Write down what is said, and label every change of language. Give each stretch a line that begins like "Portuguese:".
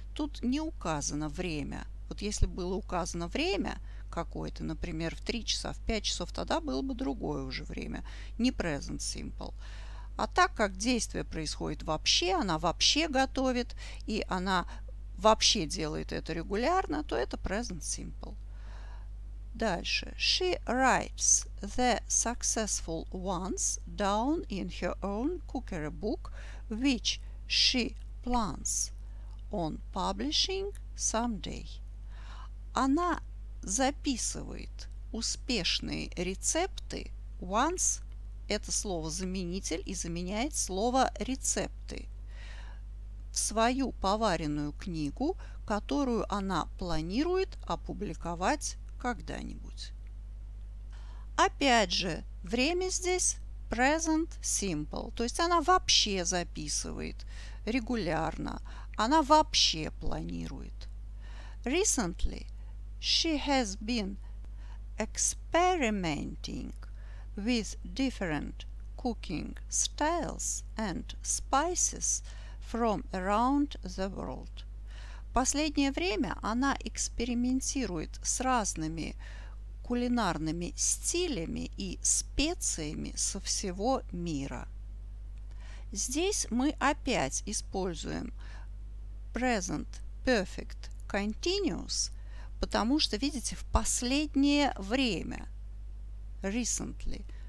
Russian: Тут не указано время. Вот если было указано время какое-то, например, в 3 часа, в 5 часов, тогда было бы другое уже время, не present simple. А так как действие происходит вообще, она вообще готовит, и она вообще делает это регулярно, то это present simple. Дальше.
English: She writes the successful ones down in her own cookery book, which she plans on publishing someday.
Russian: Она записывает успешные рецепты. Once – это слово заменитель и заменяет слово рецепты. В свою поваренную книгу, которую она планирует опубликовать когда-нибудь. Опять же, время здесь present simple, то есть она вообще записывает регулярно, она вообще планирует.
English: Recently, she has been experimenting with different cooking styles and spices from around the world.
Russian: Последнее время она экспериментирует с разными кулинарными стилями и специями со всего мира. Здесь мы опять используем present perfect continuous, потому что, видите, в последнее время, recently.